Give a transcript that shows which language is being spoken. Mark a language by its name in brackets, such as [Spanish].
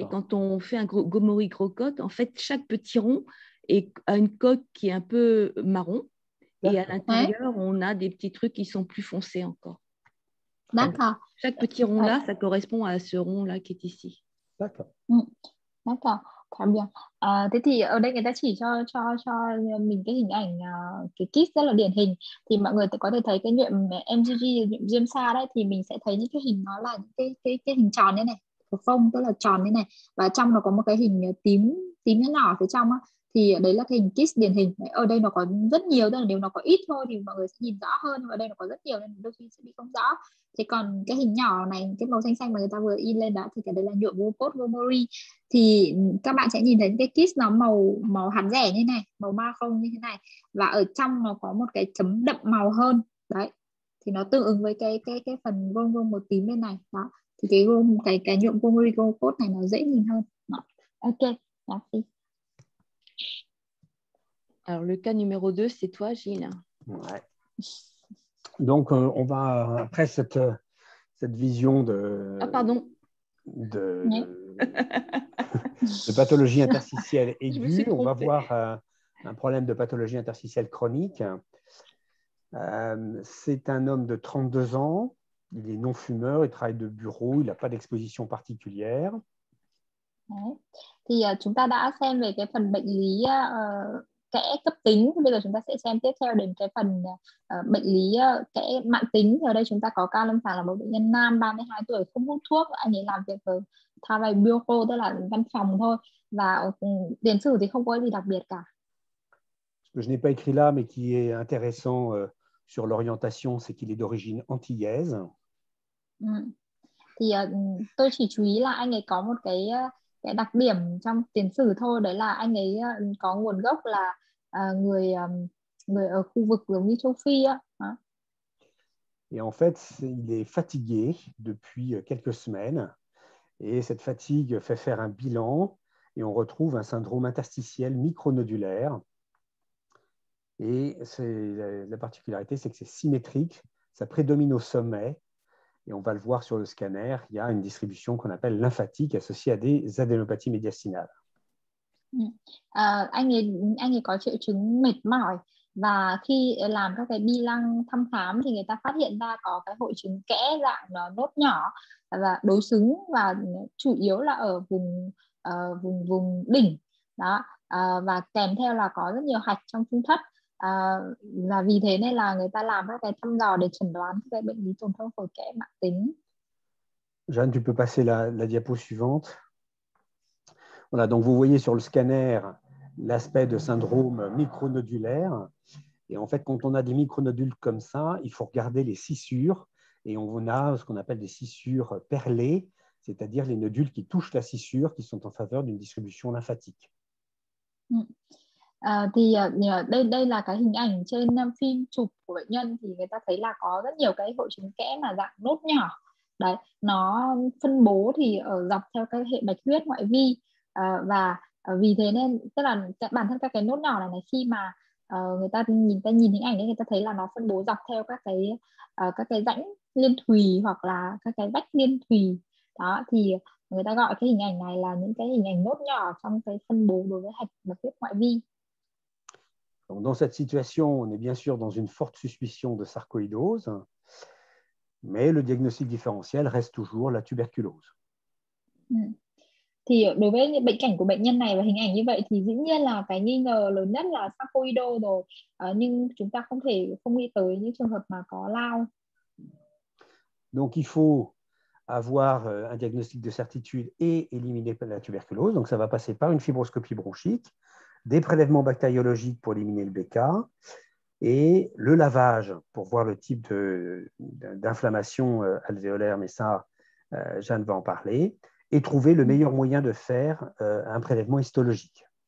[French] Et quand on fait un gomorrhée crocotte, en fait, chaque petit rond a une coque qui est un peu marron. D'accord. Et à l'intérieur, ouais, on a des petits trucs qui sont plus foncés encore. D'accord. Donc, chaque petit rond-là, ouais, ça correspond à ce rond-là qui est ici. D'accord. D'accord. Très bien. [Vietnamese] Thế thì ở đây người ta chỉ cho mình cái hình ảnh cái kit rất là điển hình, thì mọi người có thể thấy cái nhuộm MGG, nhuộm diêm sa đấy, thì mình sẽ thấy những cái hình nó là những cái hình tròn như này, phông tức là tròn như này, và trong nó có một cái hình tím tím nhỏ phía trong á, thì đấy là cái hình kit điển hình. Ở đây nó có rất nhiều, tức là nếu nó có ít thôi thì mọi người sẽ nhìn rõ hơn, và đây nó có rất nhiều nên đôi khi sẽ bị không rõ. Thế còn cái hình nhỏ này, cái màu xanh xanh mà người ta vừa in lên đó, thì cái đấy là nhuộm Vocod Gomori. Thì các bạn sẽ nhìn thấy cái kit nó màu hạt rẻ như này, màu ma không như thế này, và ở trong nó có một cái chấm đậm màu hơn đấy, thì nó tương ứng với cái phần vuông vuông màu tím bên này đó. Thì cái nhuộm Gomori Vocod này nó dễ nhìn hơn. Đó. Ok, [French] merci. Alors, le cas numéro 2, c'est toi, Gilles. Ouais. Donc, on va, après cette vision de... Ah, pardon. De, oui. De pathologie interstitielle aiguë, on va voir un problème de pathologie interstitielle chronique. C'est un homme de 32 ans, il est non-fumeur, il travaille de bureau, il n'a pas d'exposition particulière. [Vietnamese] Đấy. Thì chúng ta đã xem về cái phần bệnh lý kẽ cấp tính, bây giờ chúng ta sẽ xem tiếp theo đến cái phần bệnh lý kẽ mạn tính. Thì ở đây chúng ta có ca lâm sàng là một bệnh nhân nam 32 tuổi, không hút thuốc, anh ấy làm việc ở [French] travail bureau, [Vietnamese] tức là văn phòng thôi, và tiền sử thì không có gì đặc biệt cả. [French] Ce que je n'ai pas écrit là mais qui est intéressant sur l'orientation, c'est qu'il est d'origine antillaise. [Vietnamese] Thì tôi chỉ chú ý là anh ấy có một cái đặc điểm trong tiền sử thôi, đấy là anh ấy có nguồn gốc là người ở khu vực giống như châu Phi á. [French] Et en fait, il est fatigué depuis quelques semaines et cette fatigue fait faire un bilan et on retrouve un syndrome interstitiel micronodulaire. Et c'est la particularité, c'est que c'est symétrique, ça prédomine au sommet. Et on va le voir sur le scanner, il y a une distribution qu'on appelle lymphatique associée à des adénopathies médiastinales. [Vietnamese] Anh ấy có triệu chứng mệt mỏi, và khi làm các cái bi lăng thăm khám thì người ta phát hiện ra có cái hội chứng kẽ dạng nốt nhỏ và đối xứng, và chủ yếu là ở vùng đỉnh đó, và kèm theo là có rất nhiều hạch trong trung thất. Và vì thế nên là người ta làm các cái thăm dò để chẩn đoán về bệnh lý tổn thương phổi kẽ mạn tính. [French] Jeanne, tu peux passer la diapo suivante. Voilà, donc vous voyez sur le scanner l'aspect de syndrome micronodulaire. Et en fait, quand on a des micronodules comme ça, il faut regarder les scissures. Et on a ce qu'on appelle des scissures perlées, c'est-à-dire les nodules qui touchent la scissure, qui sont en faveur d'une distribution lymphatique. [Vietnamese] Thì đây là cái hình ảnh trên phim chụp của bệnh nhân, thì người ta thấy là có rất nhiều cái hội chứng kẽ mà dạng nốt nhỏ đấy, nó phân bố thì ở dọc theo cái hệ bạch huyết ngoại vi, và vì thế nên tức là bản thân các cái nốt nhỏ này khi mà người ta nhìn hình ảnh ấy, người ta thấy là nó phân bố dọc theo các cái rãnh liên thùy hoặc là các cái vách liên thùy đó, thì người ta gọi cái hình ảnh này là những cái hình ảnh nốt nhỏ trong cái phân bố đối với hạch bạch huyết ngoại vi. [French] Donc, dans cette situation, on est bien sûr dans une forte suspicion de sarcoïdose, mais le diagnostic différentiel reste toujours la tuberculose. [Vietnamese] Thì đối với bệnh cảnh của bệnh nhân này và hình ảnh như vậy thì dĩ nhiên là cái nghi ngờ lớn nhất là sarcoïdose rồi, nhưng chúng ta không thể không nghĩ tới những trường hợp mà có lao. [French] Donc il faut avoir un diagnostic de certitude et éliminer la tuberculose. Donc ça va passer par une fibroscopie bronchique. des prélèvements bactériologiques pour éliminer le BK et le lavage pour voir le type d'inflammation alvéolaire, mais ça, Jeanne va en parler, et trouver le meilleur moyen de faire un prélèvement histologique.